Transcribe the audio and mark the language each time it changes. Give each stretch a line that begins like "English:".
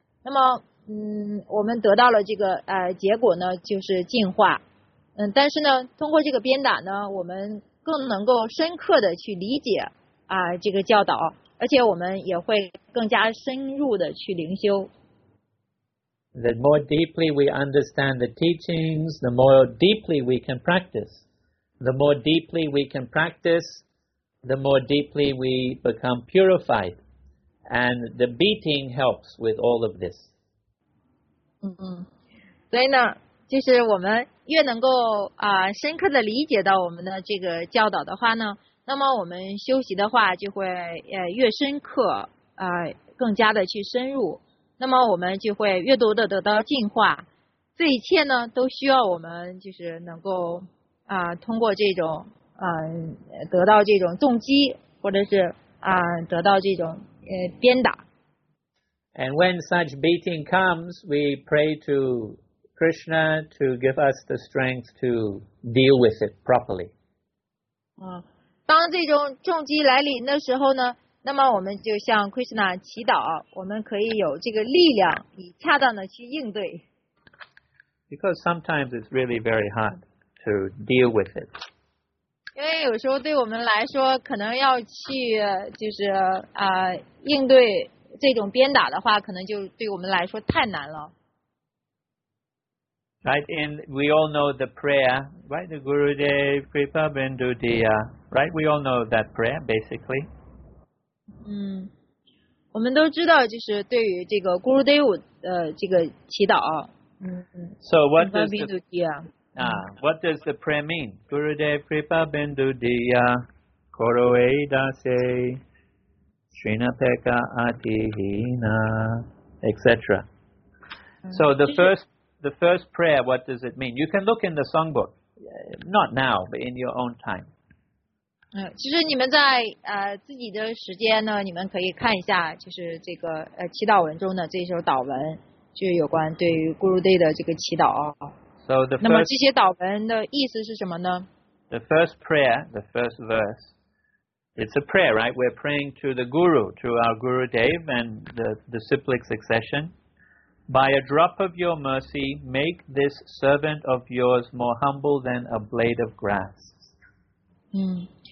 Chinese: 那么我们得到了这个结果呢，就是进化。但是呢，通过这个鞭打呢，我们更能够深刻的去理解这个教导，而且我们也会更加深入的去灵修。
English: The more deeply we understand the teachings, the more deeply we can practice. The more deeply we can practice, the more deeply we become purified. And the beating helps with all of this.
Chinese: 所以呢，就是我们。越能够深刻的理解到我们的这个教导的话呢，那么我们修习的话就会越深刻更加的去深入，那么我们就会越多的得到进化。这一切呢，都需要我们就是能够通过这种得到这种重击，或者是得到这种鞭打。
English: And when such beating comes, we pray to. Krishna to give us the strength to deal with it properly.
Chinese: 当这种重击来临的时候呢，那么我们就向 Krishna 祈祷，我们可以有这个力量以恰当的去应对。
English: Because sometimes it's really very hard. to deal with it.
Chinese: 因为有时候对我们来说，可能要去就是啊、应对这种鞭打的话，可能就对我们来说太难了。
English: Right, and we all know the prayer, right? The Gurudev Kripa Bindu Diya, right? We all know that prayer, basically.
Chinese: 嗯，我们都知道，就是对于这个 Gurudev 这个祈祷。嗯嗯。
English: So what does the prayer mean?
Bangla: Gurudev Kripa Bindu Diya, Koroeda Se, Srinapeka Atihina, etc.
English: So the first. The first prayer, what does it mean? You can look in the songbook. Not now, but in your own time.
Chinese: 其实你们在自己的时间呢，你们可以看一下，就是这个祈祷文中的这首祷文，就是有关对于 Gurudev 的这个祈祷。
English: So the first,
Chinese: 那么这些祷文的意思是什么呢？
English: The first prayer, the first verse, it's a prayer, right? We're praying to the Guru, to our Gurudev and the cyclic succession. By a drop of your mercy, make this servant of yours more humble than a blade of grass.